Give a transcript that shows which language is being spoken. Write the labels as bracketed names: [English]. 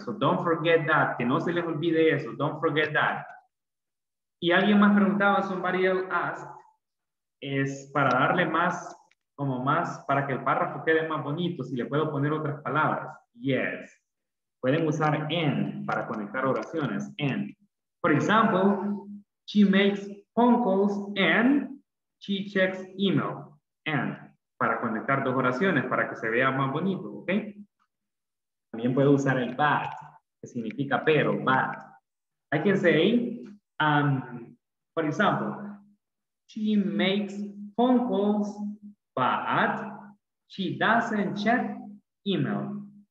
[English] So don't forget that, [Spanish] que no se les olvide eso. [English] Don't forget that. [Spanish] Y alguien más preguntaba, [English] somebody else asked, [Spanish] es para darle más, como más, para que el párrafo quede más bonito, si le puedo poner otras palabras. [English] Yes. [Spanish] Pueden usar and para conectar oraciones. And. [English] For example, she makes phone calls and she checks email. And. [Spanish] para conectar dos oraciones, para que se vea más bonito, ¿ok? También puedo usar el but, que significa pero, but. [English] I can say, for example, she makes phone calls, but she doesn't check email.